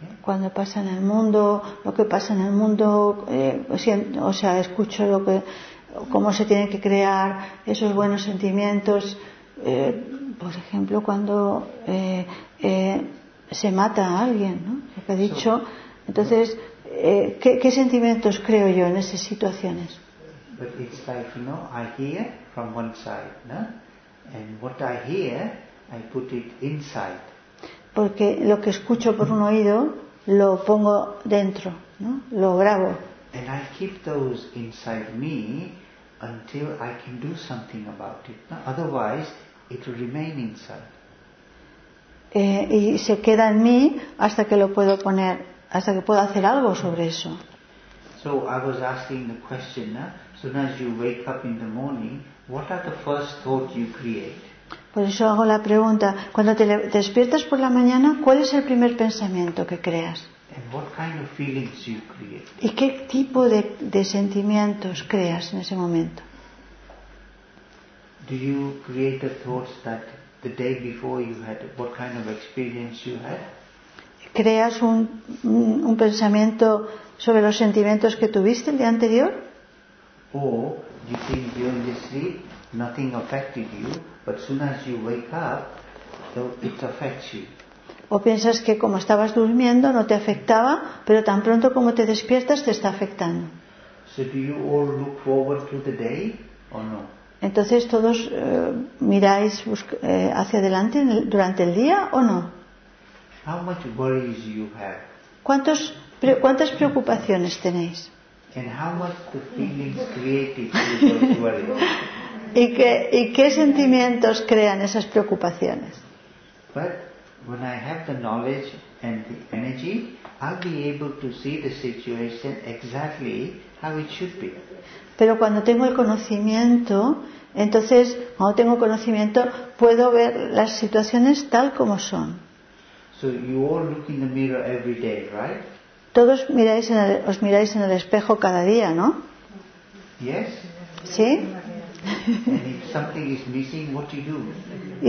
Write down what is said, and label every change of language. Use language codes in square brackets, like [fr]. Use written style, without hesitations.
[es] Cuando pasa en el mundo, lo que pasa en el mundo, siento, o sea, escucho lo que, cómo se tienen que crear esos buenos sentimientos. Por ejemplo, cuando se mata a alguien, ¿no? Lo que he dicho. Entonces, ¿qué sentimientos creo yo en esas situaciones? [en] But it's like, you know, I hear from one side, no? And what I hear, I put it inside. [es] Porque lo que escucho por un oído lo pongo dentro, ¿no? Lo grabo. [en] And I keep those inside me until I can do something about it. Otherwise, it will remain inside. [es] Y se queda en mí hasta que lo puedo poner, hasta que puedo hacer algo sobre eso. [en] So I was asking the question, as soon as you wake up in the morning, what are the first thoughts you create? [es] Por eso hago la pregunta, cuando te despiertas por la mañana, ¿cuál es el primer pensamiento que creas? [en] And what kind of feelings you create? [es] ¿Y qué tipo de sentimientos creas en ese momento? [en] Do you create the thoughts that the day before you had, what kind of experience you had? [es] ¿Creas un pensamiento sobre los sentimientos que tuviste el día anterior? [en] Or you think during the sleep nothing affected you, but as soon as you wake up, it affects you. [es] O piensas que como estabas durmiendo no te afectaba, pero tan pronto como te despiertas te está afectando. [en] So do you all look forward to the day or no? [es] Entonces todos miráis hacia adelante durante el día o no? [en] How much worries you have? [es] ¿Cuántas preocupaciones tenéis? [en] And how much the feelings created those worries? [es] ¿Y qué sentimientos crean esas preocupaciones? [en] But when I have the knowledge and the energy, I'll be able to see the situation exactly how it should be. [es] Pero cuando tengo el conocimiento, entonces, cuando tengo conocimiento, puedo ver las situaciones tal como son. [en] So you all look in the mirror every day, right? [es] Todos miráis en el espejo cada día, ¿no? [en] Yes. [es] ¿Sí? [en] And if something is missing, what do you do?